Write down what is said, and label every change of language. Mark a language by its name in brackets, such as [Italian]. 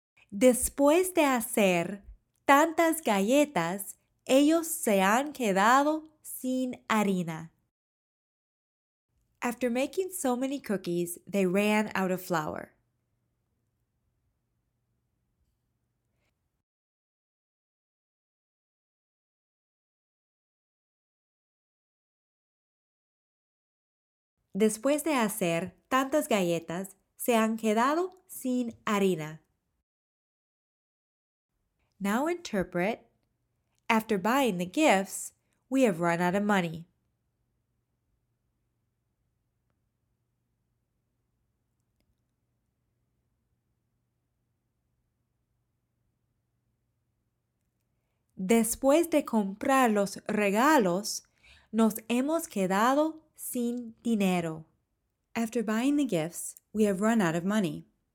[Spanish] Después de hacer tantas galletas, ellos se han quedado sin harina. [English] After making so many cookies, they ran out of flour. [Spanish] Después de hacer tantas galletas, se han quedado sin harina. [English] Now interpret, after buying the gifts, we have run out of money. [Spanish] Después de comprar los regalos, nos hemos quedado sin dinero. [English] After buying the gifts, we have run out of money.